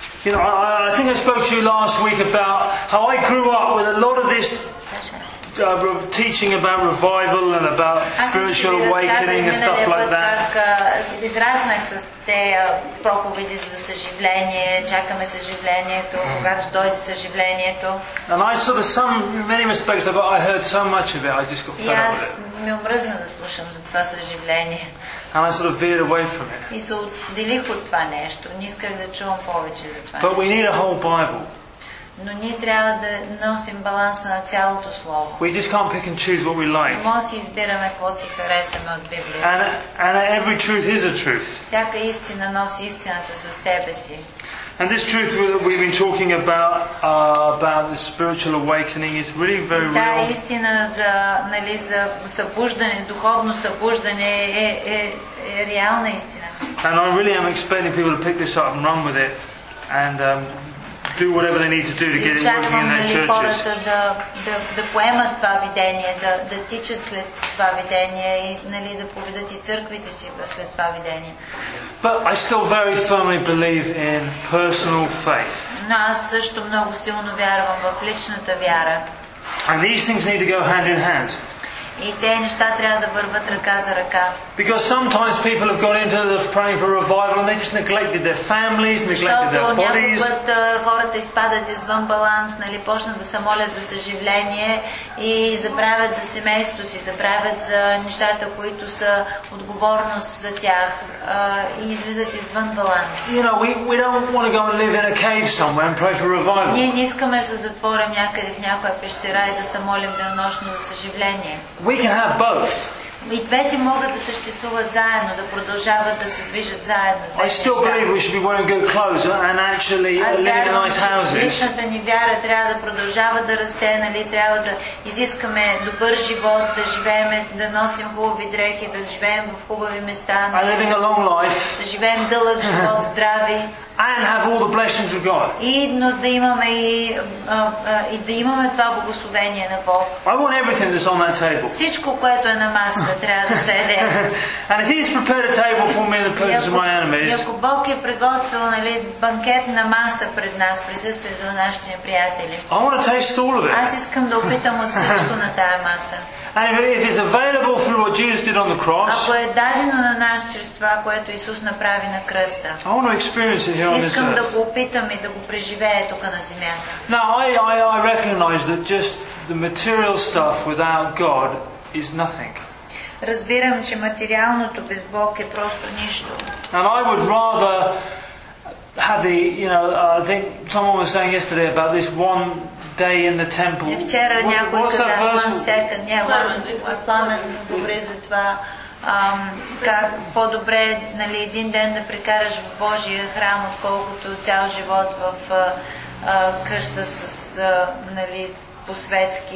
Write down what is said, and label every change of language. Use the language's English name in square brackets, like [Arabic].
[English] You know, I think I spoke to you last week about how I grew up with a lot of this teaching about revival and about spiritual awakening and stuff like that. [Bulgarian] Из разных с те проповеди за съживление, чакаме съживлението, когато дойде съживлението. [English] And I sort of some many respects about I heard so much of it, I just got fed up with it. [Bulgarian] Аз ми омръзна да слушам за това съживление. [English] And I sort of veered away from it. [Bulgarian] И се отделих от това нещо. Не исках да чувам повече за това. [English] But we need a whole Bible. [Bulgarian] Но ние трябва да носим баланса на цялото слово. [English] We just can't pick and choose what we like. [Bulgarian] Може си избираме какво си харесаме от Библията. [English] And every truth is a truth. [Bulgarian] Всяка истина носи истината със себе си. [English] And this truth that we've been talking about the spiritual awakening is really very real. [Bulgarian] Да, истина за, нали, за събуждане, духовно събуждане е реална истина. [English] And I really am expecting people to pick this up and run with it and do whatever they need to do to get it working in their churches. [Bulgarian] Да поемат това видение, да тичат след това видение и, нали, да поведат и църквите си след това видение. [English] But I still very firmly believe in personal faith. [Bulgarian] Но аз също много силно вярвам в личната вяра. [English] And these things need to go hand in hand. [Bulgarian] И те неща трябва да върват ръка за ръка. [English] Because sometimes people have gone into the praying for revival and they just neglected their families, neglected their bodies. [Bulgarian] Защото някой път хората изпадат извън баланс, нали, почнат да се молят за съживление и забравят за семейството си, забравят за нещата, които са отговорност за тях, и излизат извън баланс. [English] You know, we don't want to go and live in a cave somewhere and pray for revival. [Bulgarian] Ние не искаме да се затворим някъде в някоя пещера и да се молим денонощно за съживление. [English] We can have both. [Bulgarian] И двете могат да съществуват заедно, да продължават да се движат заедно. [English] I still believe we should be wearing good clothes and actually living in nice houses. [Bulgarian] Личната ни вяра трябва да продължава да расте, нали, трябва да изискаме добър живот, да живеем, да носим хубави дрехи, да живеем в хубави места. [English] And living a long life. [Bulgarian] Да живеем дълъг живот, здрави. [English] And have all the blessings of God. [Bulgarian] Идно да имаме и да имаме това благословение на Бог. [English] I want everything that's on that table. [Bulgarian] Всичко, което е на масата, трябва да седе. [English] And if He's prepared a table for me in the presence of my enemies. [Bulgarian] Ако Бог е приготвил, нали, банкет на маса пред нас, присъствието на нашите неприятели. [English] I want to taste all of it. [Bulgarian] Аз искам да опитам от всичко на тая маса. [English] And if it's available through what Jesus did on the cross. [Bulgarian] Ако е дадено на нас чрез това, което Исус направи на кръста. [English] I want to experience it. [Bulgarian] Искам да го опитам и да го преживея тук на земята. [English] Now I recognize that just the material stuff without God is nothing. [Bulgarian] Разбирам, че материалното без Бог е просто нищо. [English] And I would rather have the, you know, I think someone was saying yesterday about this one day in the temple. [Bulgarian] Вчера някой каза, добре за това. Как по-добре, нали, един ден да прекараш в Божия храм, отколкото цял живот в къща с, нали, по-светски.